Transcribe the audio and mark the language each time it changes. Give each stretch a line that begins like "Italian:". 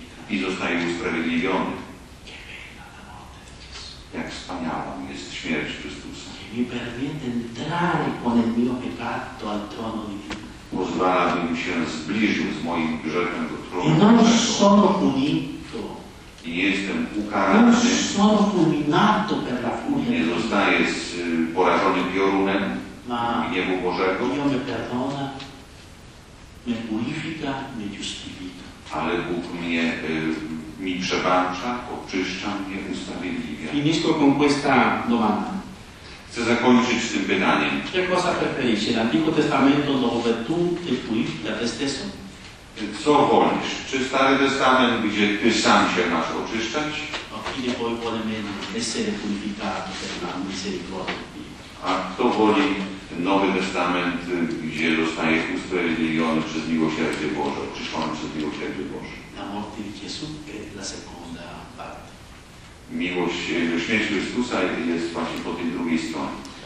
Polish: I zostaje usprawiedliwiony. Jak wspaniała jest śmierć Chrystusa.
Italian: Mi permette entrare con il mio peccato al trono di Dio.
Polish: Pozwala, bym się zbliżył z moim grzechem do tronu.
Italian: E non sono punito.
Polish: I jestem ukarany.
Italian: Non sono fulminato per la furia.
Polish: Nie zostaję porażony piorunem gniewu Bożego.
Italian: Dio mi perdona, mi purifica, mi giustifica.
Polish: Ale Bóg mnie mi przebacza, oczyszcza mnie, usprawiedliwia.
Italian: Finisco con questa domanda.
Polish: Chcę zakończyć z tym pytaniem.
Italian: Che cosa preferisci, l'Antico Testamento dove tu ti purifichi a te stesso?
Polish: Co wolisz? Czy Stary Testament, gdzie ty sam się masz oczyszczać?
Italian: A chi poi vuole meno essere purificato per la misericordia di Dio?
Polish: A kto woli Nowy Testament, gdzie zostaje usprawiedliwiony przez miłosierdzie Boże, oczyszczony przez miłosierdzie Boże?
Italian: La morte di Gesù è la seconda parte.
Polish: Miłość, śmierć Chrystusa jest właśnie po tej drugiej stronie.